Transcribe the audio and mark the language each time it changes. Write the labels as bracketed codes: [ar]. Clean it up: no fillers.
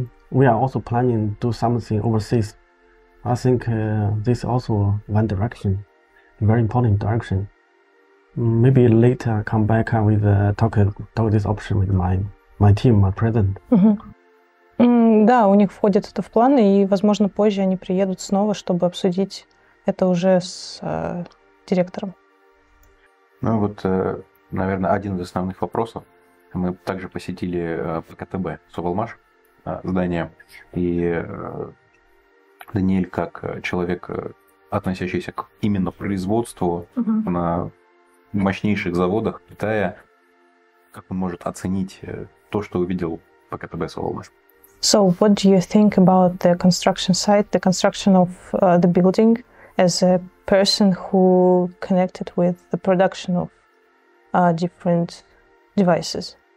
[en] We are also planning to do something overseas. I think this is also one direction, a very important direction. Maybe later come back with talk this option with my team, my president. [ru] Да, у них входит это в планы, и, возможно, позже они приедут снова, чтобы обсудить это уже с директором. Ну вот, наверное, один из основных вопросов. Мы также посетили ПКТБ Совалмаш, здания. И Даниэль, как человек, относящийся к именно производству на мощнейших заводах Китая, как он может оценить то, что увидел, пока ты бывал на? [en] So, what do you think about the construction site, the construction of the building, as a person who connected with the production of different devices?